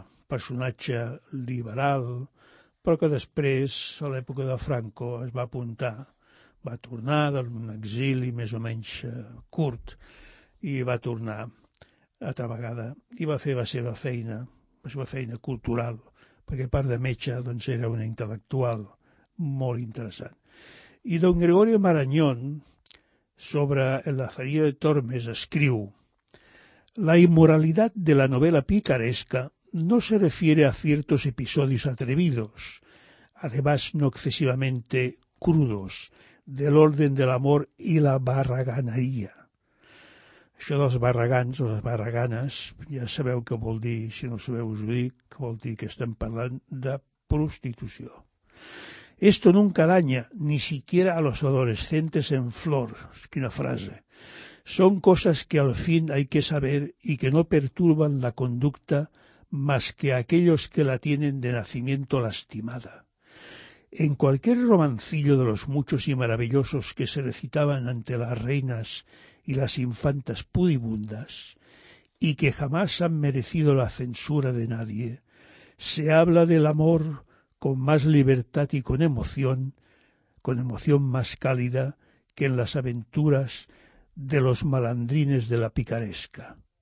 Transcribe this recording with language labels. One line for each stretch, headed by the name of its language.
Catalan: personatge liberal, però que després, a l'època de Franco, es va apuntar, va tornar d'un exili més o menys curt, i va tornar a Trabagada, i va fer la seva feina cultural, perquè a part de metge doncs era un intel·lectual molt interessant. I don Gregorio Marañón, sobre La Ferilla de Tormes, escriu: «La immoralitat de la novel·la picaresca
Spanish: no se refiere a ciertos episodios atrevidos, además no excesivamente crudos, del orden del amor y la barraganería.
Catalan: Això dels barragans o les barraganes, ja sabeu què vol dir, si no sabeu us ho dic, vol dir que estem parlant de prostitució.
Spanish: Esto nunca daña ni siquiera a los adolescentes en flor.
Catalan: Quina frase.
Spanish: Son cosas que al fin hay que saber y que no perturban la conducta más que aquellos que la tienen de nacimiento lastimada. En cualquier romancillo de los muchos y maravillosos que se recitaban ante las reinas y las infantas pudibundas, y que jamás han merecido la censura de nadie, se habla del amor con más libertad y con emoción más cálida que en las aventuras de los malandrines de la picaresca.